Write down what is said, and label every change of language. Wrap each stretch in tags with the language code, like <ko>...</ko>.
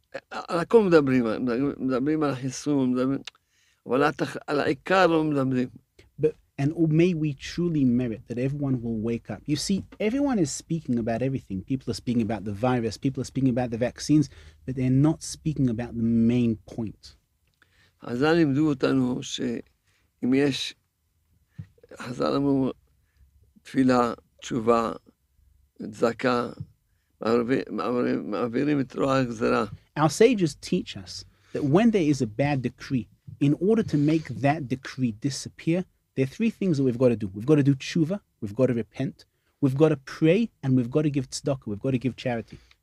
<he>על הכל מדברים, מדברים על החיסון, מדברים, אבל על העיקר לא מדברים.</he> <en>And may we truly merit that everyone will wake up. You see, everyone is speaking about everything. People are speaking about the virus, people are speaking about the vaccines, but they're not speaking about the main point.</en> <he>חזל לימדו אותנו שאם יש, חזל אמרו, תפילה, תשובה, תזקה,</he> <en>Our sages teach us that when there is a bad decree, in order to make that decree disappear, there are three things that we've got to do. We've got to do tshuva, we've got to repent, we've got to pray, and we've got to give tzedakah, we've got to give charity.</en>